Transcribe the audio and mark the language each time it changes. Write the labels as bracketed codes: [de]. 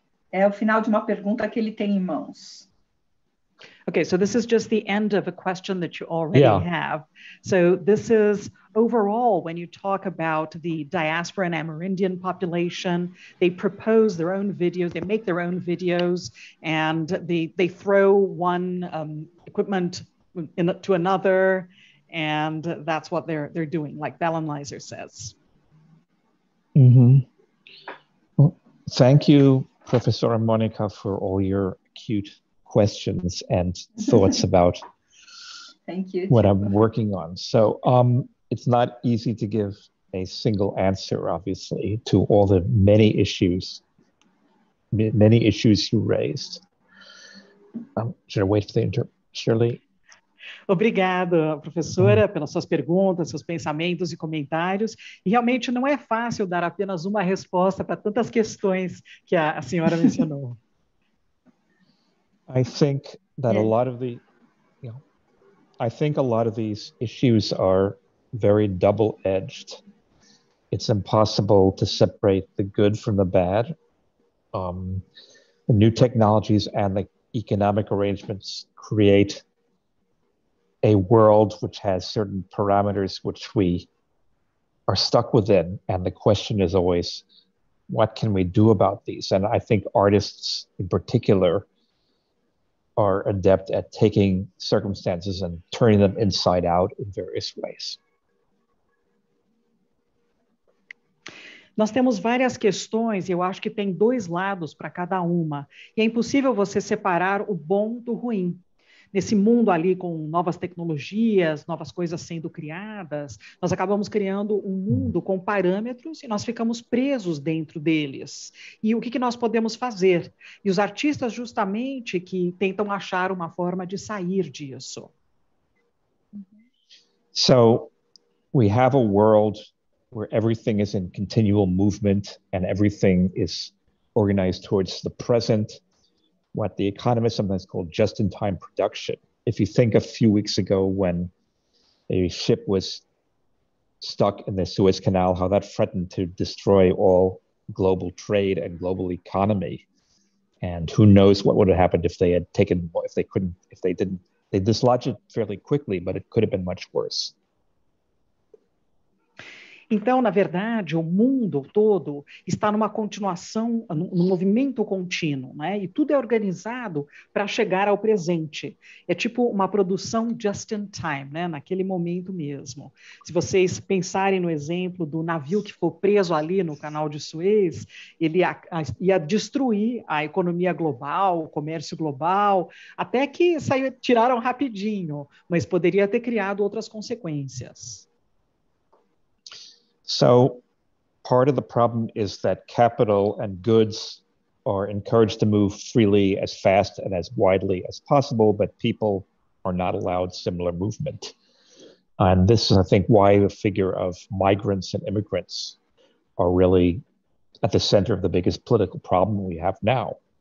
[pt] É o final de uma pergunta que ele tem em mãos. [en] Okay, so this is just the end of a question that you already have. So this is overall, when you talk about the diaspora and Amerindian population, they propose their own videos, they make their own videos, and they throw one equipment in to another, and that's what they're doing, like Valen Leiser says. Mm-hmm. Well, thank you, Professor Monica, for all your acute questions and thoughts about thank you, what I'm working on. So it's not easy to give a single answer, obviously, to all the many issues you raised. Should I wait for the Shirley? [pt] Obrigada, professora, pelas suas perguntas, seus pensamentos e comentários. E realmente não é fácil dar apenas uma resposta para tantas questões que a senhora mencionou. [en] I think that a lot of the, you know, I think a lot of these issues are very double-edged. It's impossible to separate the good from the bad. The new technologies and the economic arrangements create a world which has certain parameters which we are stuck within. And the question is always, what can we do about these? And I think artists in particular are adept at taking circumstances and turning them inside out in various ways. [pt] Nós temos várias questões e eu acho que tem dois lados para cada uma. E é impossível você separar o bom do ruim. Nesse mundo ali com novas tecnologias, novas coisas sendo criadas, nós acabamos criando um mundo com parâmetros e nós ficamos presos dentro deles. E o que, que nós podemos fazer? E os artistas justamente que tentam achar uma forma de sair disso. [en] So, we have a world where everything is in continual movement and everything is organized towards the present. What the economists sometimes call just-in-time production. If you think a few weeks ago when a ship was stuck in the Suez Canal, how that threatened to destroy all global trade and global economy. And who knows what would have happened if they had taken, if they couldn't, if they didn't, they dislodged it fairly quickly, but it could have been much worse. [pt] Então, na verdade, o mundo todo está numa continuação, num movimento contínuo, né? E tudo é organizado para chegar ao presente. É tipo uma produção just in time, né? Naquele momento mesmo. Se vocês pensarem no exemplo do navio que ficou preso ali no canal de Suez, ele ia destruir a economia global, o comércio global, até que saiu, tiraram rapidinho, mas poderia ter criado outras consequências. [en] So part of the problem is that capital and goods are encouraged to move freely as fast and as widely as possible, but people are not allowed similar movement. And this is, I think, why the figure of migrants and immigrants are really at the center of the biggest political problem we have now.